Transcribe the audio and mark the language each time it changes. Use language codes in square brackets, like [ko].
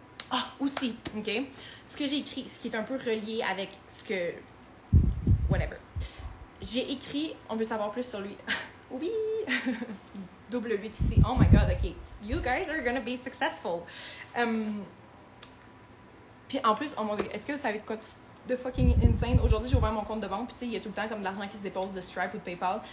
[fr] Ah, aussi, OK. Ce que j'ai écrit, ce qui est un peu relié avec ce que... Whatever. J'ai écrit, on veut savoir plus sur lui. Oui! Double 8 ici. [en] Oh my God, OK. You guys are gonna be successful. [fr] Puis en plus, oh mon Dieu, est-ce que vous savez de quoi de fucking insane? Aujourd'hui, j'ai ouvert mon compte de banque, puis tu sais, il y a tout le temps comme de l'argent qui se dépose de Stripe ou de PayPal.